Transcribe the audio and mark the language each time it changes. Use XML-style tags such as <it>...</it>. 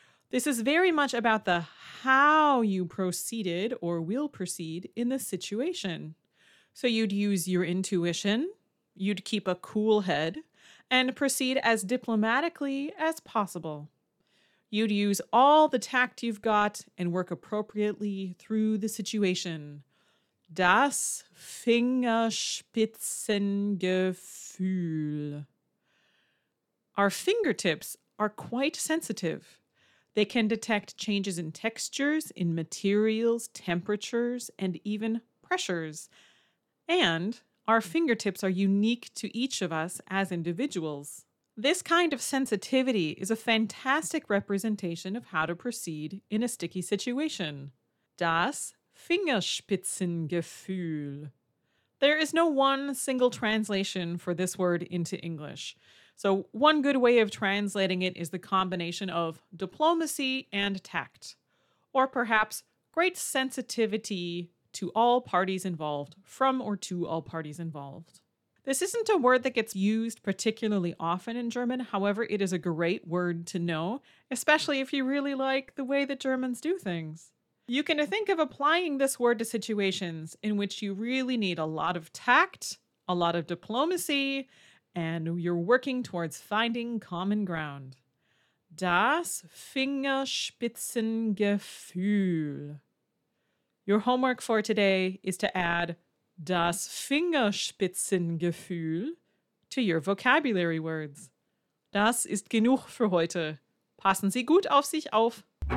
<en>This is very much about the how you proceeded or will proceed in the situation. So you'd use your intuition, you'd keep a cool head, and proceed as diplomatically as possible. You'd use all the tact you've got and work appropriately through the situation.</en> <de>Das Fingerspitzengefühl.</de> <en>Our fingertips are quite sensitive. They can detect changes in textures, in materials, temperatures, and even pressures. And our fingertips are unique to each of us as individuals. This kind of sensitivity is a fantastic representation of how to proceed in a sticky situation.</en> <de>Das Fingerspitzengefühl.</de> <en>There is no one single translation for this word into English. So one good way of translating it is the combination of diplomacy and tact, or perhaps great sensitivity to all parties involved, from or to all parties involved. This isn't a word that gets used particularly often in German. However, it is a great word to know, especially if you really like the way that Germans do things. You can think of applying this word to situations in which you really need a lot of tact, a lot of diplomacy, and you're working towards finding common ground.</en> <de>Das Fingerspitzengefühl.</de> <en>Your homework for today is to add das Fingerspitzengefühl to your vocabulary words.</en> <de>Das ist genug für heute. Passen Sie gut auf sich auf.</de>